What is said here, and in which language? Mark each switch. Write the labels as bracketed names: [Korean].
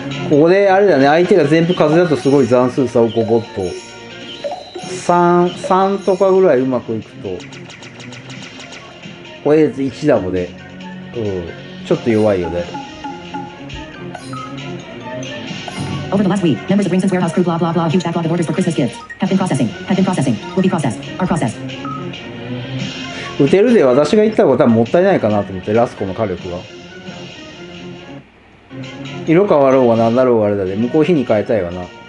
[Japanese] ここであれだね、相手が全部風だとすごい残数差をゴボッと。 3とかぐらいうまくいくと、これで1ダボで、うん、ちょっと弱いよね。 [English] Over the last week, members of Ringson's warehouse crew blah blah blah huge backlog of orders for Christmas gifts. Have been processing. Will be processed. Are processed. [Japanese] 打てるで私が言った方が多分もったいないかなと思って、ラスコの火力は。色変わろうが何だろうがあれだで、向こう火に変えたいわな。